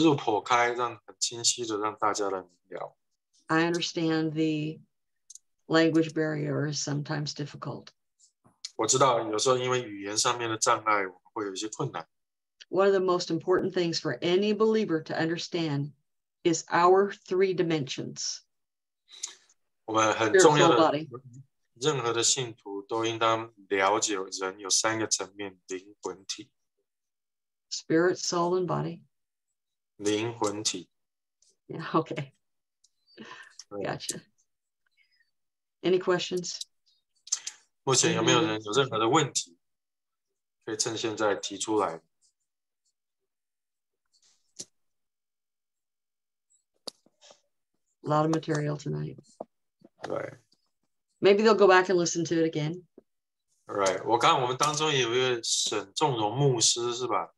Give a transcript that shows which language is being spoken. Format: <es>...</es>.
<zh>我们也会清楚的来，刺入剖开，让很清晰的让大家来明了。</zh> <en>I understand the language barrier is sometimes difficult.</en> <zh>我知道有时候因为语言上面的障碍，我们会有一些困难。</zh> <en>One of the most important things for any believer to understand is our 3 dimensions.</en> <zh>我们很重要的，任何的信徒都应当了解人有3个层面：灵魂体。</zh> <en>Spirit, soul, and body.</en> <zh>灵魂体。</zh> <en>Yeah, okay. Gotcha. Any questions?</en> <zh>目前有没有人有任何的问题 可以趁现在提出来。</zh> <en>A lot of material tonight. Right. Maybe they'll go back and listen to it again. Right.</en> <zh>我刚刚我们当中有一位沈仲荣牧师是吧?</zh>